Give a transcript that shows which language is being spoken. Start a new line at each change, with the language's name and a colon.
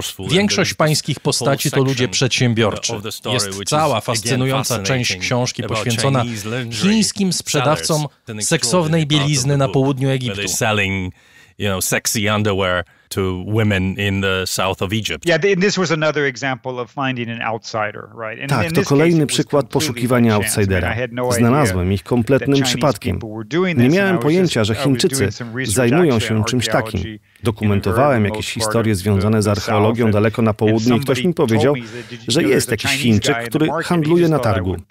Polish: Większość pańskich postaci to ludzie przedsiębiorczy. Jest cała fascynująca część książki poświęcona chińskim sprzedawcom seksownej bielizny na południu Egiptu.
English: Sexy underwear to women in the south of Egypt. Yeah, this was another example of finding an outsider, right?
Polish: Tak, to kolejny przykład poszukiwania outsidera. Znalazłem ich kompletnym przypadkiem. Nie miałem pojęcia, że Chińczycy zajmują się czymś takim. Dokumentowałem jakieś historie związane z archeologią daleko na południu i ktoś mi powiedział, że jest jakiś Chińczyk, który handluje na targu.